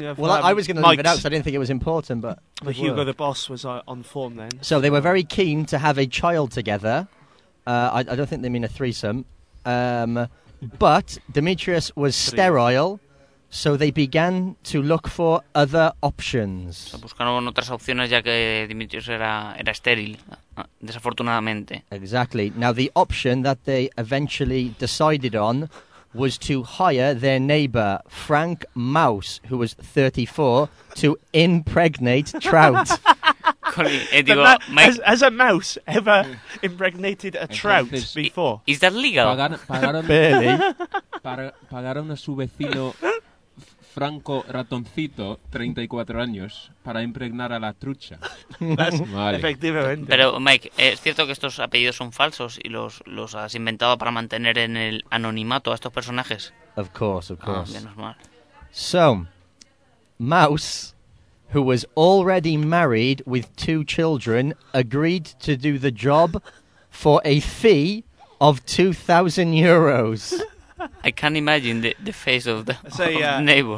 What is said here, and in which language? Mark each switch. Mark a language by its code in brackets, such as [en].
[en] Well, I was going to leave it out, so I didn't think it was important. But Hugo the boss was on form then. So they were very keen to have a child together. I don't think they mean a threesome. But Demetrius was sterile, so they began to look for other options. [es] Buscaron otras opciones ya que Demetrius era estéril. Desafortunadamente. [en] Exactly. Now, the option that they eventually decided on was to hire their neighbor, Frank Maus, who was 34, to impregnate Trout. Has a mouse ever impregnated a trout before? Is that legal? Barely. [es] Pagaron a su vecino Franco Ratoncito, 34 años, para impregnar a la trucha. Vale. Efectivamente. Pero, Mike, ¿es cierto que estos apellidos son falsos y los has inventado para mantener en el anonimato a estos personajes? [en] Of course, of course. [es] Ah, menos mal. [en] So, Mouse, who was already married with two children, agreed to do the job for a fee of 2,000 euros. I can't imagine the face of the neighbour.